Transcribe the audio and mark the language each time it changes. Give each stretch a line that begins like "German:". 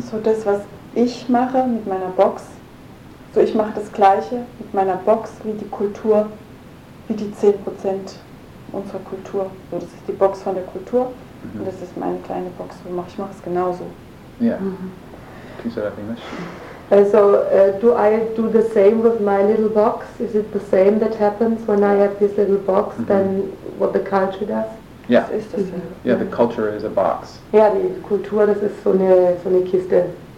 German: So das, was ich mache mit meiner Box, so ich mache das Gleiche mit meiner Box wie die Kultur, wie die 10% unserer Kultur. So, das ist die Box von der Kultur, mm-hmm. Und das ist meine kleine Box, wo ich mache es genauso.
English: Yeah. Mm-hmm. Can you say that in English? So, do I do the same with my little box? Is it the same that happens when I have this little box mm-hmm. than what the culture does? Yeah. Mm-hmm. Yeah, the culture is a box.
German: Yeah, die Kultur, das ist so eine Kiste.